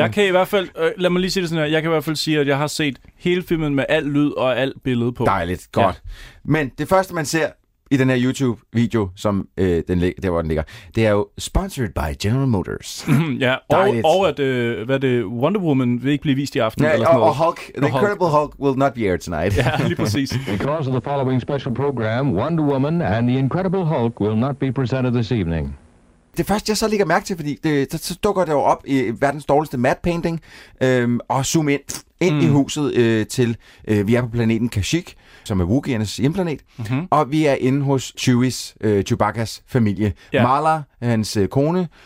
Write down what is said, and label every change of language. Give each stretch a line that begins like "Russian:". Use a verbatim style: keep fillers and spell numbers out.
Danish: Jeg kan i hvert fald, øh, lad mig lige sige det sådan her, jeg kan i hvert fald sige, at jeg har set hele filmen med alt lyd og alt billede på. Dejligt, godt. Ja. Men det første, man ser i den her YouTube-video, som øh, den lig- der, hvor den ligger, det er jo sponsored by General Motors. ja, og, og at øh, hvad det, Wonder Woman vil ikke blive vist i aften. Ja, eller og, noget. og Hulk. The og Incredible Hulk.
English: Hulk will not be aired tonight.
Danish: ja, lige præcis.
English: Because of the following special program, Wonder Woman and the Incredible Hulk will not be presented this evening.
Danish: Det første, jeg så lægger mærke til, fordi det, så, så dukker det jo op i verdens dårligste matte painting, øhm, og zoom ind, ind mm. i huset øh, til, øh, vi er på planeten Kashyyyk, som er Wookieernes hjemplanet, mm-hmm. og vi er inde hos Chewis, øh, Chewbaccas familie. Ja. Mala, hans øh, kone,